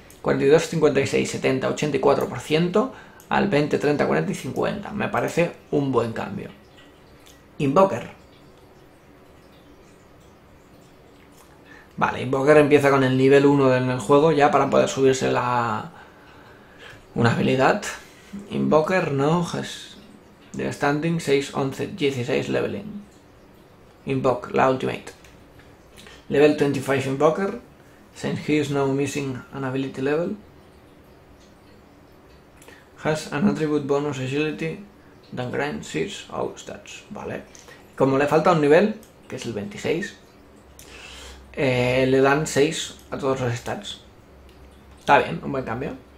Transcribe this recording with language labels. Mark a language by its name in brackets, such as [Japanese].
[Spanish] 42, 56, 70, 84% al 20, 30, 40 y 50. Me parece un buen cambio. Invoker. Vale, Invoker empieza con el nivel 1 en el juego ya para poder subirse una habilidad. [English] Invoker no has the standing 6, 11, 16 leveling. [Spanish] Invoke, la ultimate. Level 25 Invoker. [English] Since he is now missing an ability level, has an attribute bonus agility that grants 6 all stats. [Spanish] Vale. Como le falta un nivel, que es el 26, le dan 6 a todos los stats. Está bien, un buen cambio.